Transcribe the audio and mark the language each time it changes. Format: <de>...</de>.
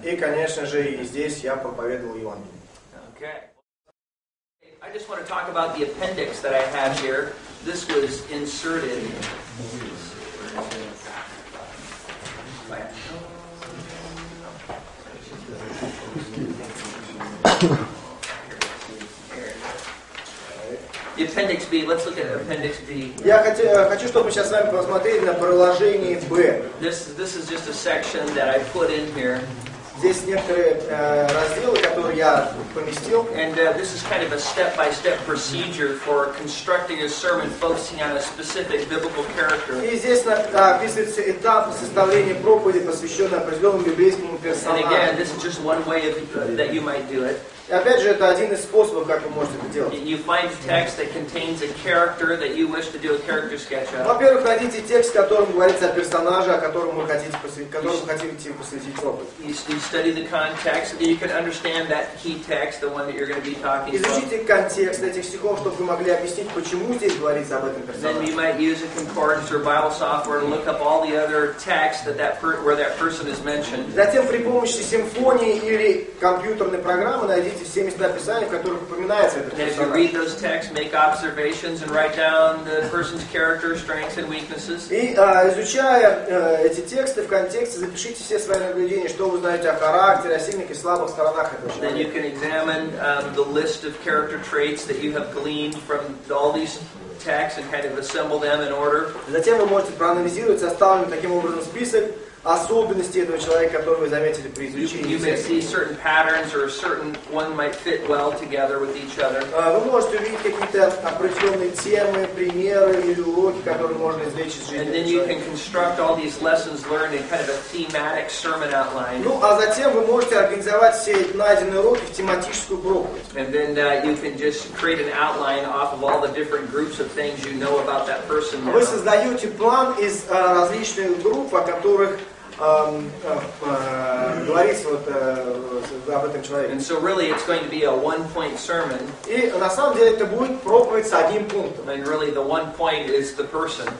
<ru>И, конечно же, и здесь я проповедовал Евангелие.</ru> <en>Okay. I just want to talk about the appendix that I have here. This was inserted. Appendix B. Let's look at Appendix B.</en> <ru>Я хочу, чтобы мы сейчас с вами посмотрели на приложение B.</ru> <en>This is just a section that I put in here.</en> <ru>Здесь некоторые разделы, которые я поместил.</ru> <en>And this is kind of a step-by-step procedure for constructing a sermon focusing on a specific biblical character.</en> <ru>И здесь описывается этап составления проповеди, посвященной определенному библейскому персонажу.</ru> <en>And again, this is just one way that you might do it.</en> <ru>И опять же, это один из способов, как вы можете это делать.</ru> <en>You find text that contains a character that you wish to do a character sketch of.</en> <ru>Во-первых, найдите текст, в котором говорится о персонаже, о котором вы хотите посвятить опыт.</ru> <en>You study the context, and you can understand that key text, the one that you're going to be talking</en> <ru>Изучите контекст этих стихов, чтобы вы могли объяснить, почему здесь говорится об этом персонаже.</ru> <en>Then you might use a concordance or Bible software to look up all the other texts where that person is mentioned.</en> <ru>Затем при помощи симфонии или компьютерной программы найдите все места Писания, в которых упоминается этот персонаж.</ru> <en>And if you read those texts, make observations and write down the person's character, strengths and weaknesses.</en> <ru>И изучая эти тексты в контексте, запишите все свои наблюдения, что вы знаете о характере, о сильных и слабых сторонах этого человека.</ru> <en>Then you can examine the list of character traits that you have gleaned from all these texts and kind of assemble them in order.</en> <ru>Затем вы можете проанализировать составленный таким образом список особенности этого человека, которые вы заметили при изучении.</ru> <en>You may see certain patterns or a certain one might fit well together with each other.</en> <ru>Вы можете увидеть какие-то определенные темы, примеры или уроки, которые можно извлечь из жизни этого человека.</ru> <en>And then you can construct all these lessons learned in kind of a thematic sermon outline.</en> <ru>Ну, а затем вы можете организовать все найденные уроки в тематическую проповедь.</ru> <en>And then you can just create an outline off of all the different groups of things you know about that person.</en> <ru>Вы создаете план из различных групп, о которых об этом человеке.</ru> <en>And so really it's going to be a one-point sermon.</en> <ru>И на самом деле это будет проповедь с одним пунктом.</ru> <en>And really the one point is the person.</en>